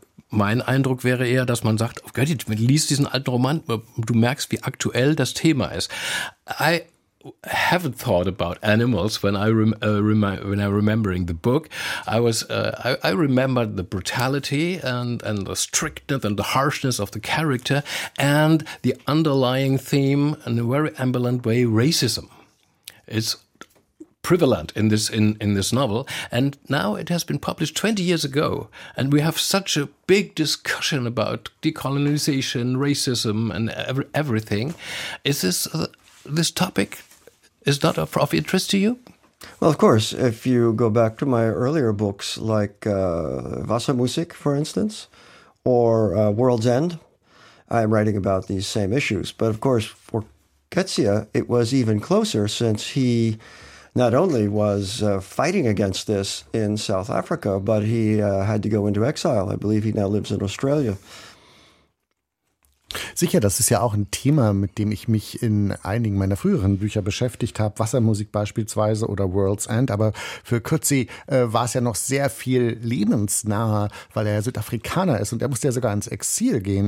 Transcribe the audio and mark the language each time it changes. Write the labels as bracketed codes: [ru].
[de] Mein Eindruck wäre eher, dass man sagt, Götti, lies diesen alten Roman, du merkst, wie aktuell das Thema ist. [en] I haven't thought about animals when I remembering the book. I remembered the brutality and the strictness and the harshness of the character and the underlying theme in a very ambivalent way, racism. It's prevalent in this novel, and now it has been published 20 years ago, and we have such a big discussion about decolonization, racism, and everything. Is this this topic is not of interest to you? Well, of course, if you go back to my earlier books, like Wassermusik, for instance, or World's End, I'm writing about these same issues. But of course, for Coetzee, it was even closer, since he not only was fighting against this in South Africa, but he had to go into exile. I believe he now lives in Australia. [de] Sicher, das ist ja auch ein Thema, mit dem ich mich in einigen meiner früheren Bücher beschäftigt habe, Wassermusik beispielsweise oder World's End, aber für Coetzee war es ja noch sehr viel lebensnaher, weil er Südafrikaner ist und er musste ja sogar ins Exil gehen.